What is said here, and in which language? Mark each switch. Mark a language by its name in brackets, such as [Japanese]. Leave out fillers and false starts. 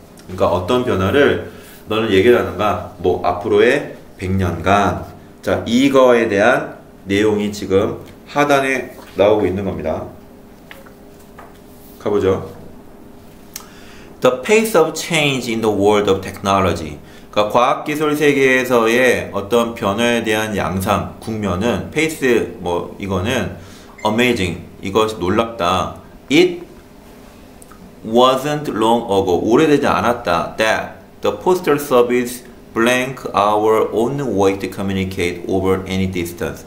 [Korean] 그러니까 어떤 변화를 너는 예견하는가? 뭐 앞으로의 100년간. 자, 이거에 대한 내용이 지금 하단에 나오고 있는 겁니다. 가보죠. [English] The pace of change in the world of technology. [Korean] 과학기술 세계에서의 어떤 변화에 대한 양상, 국면은, 페이스, 뭐, 이거는 amazing. 이것이 놀랍다. [English] It wasn't long ago. [Korean] 오래되지 않았다. [English] That the postal service blank our own way to communicate over any distance.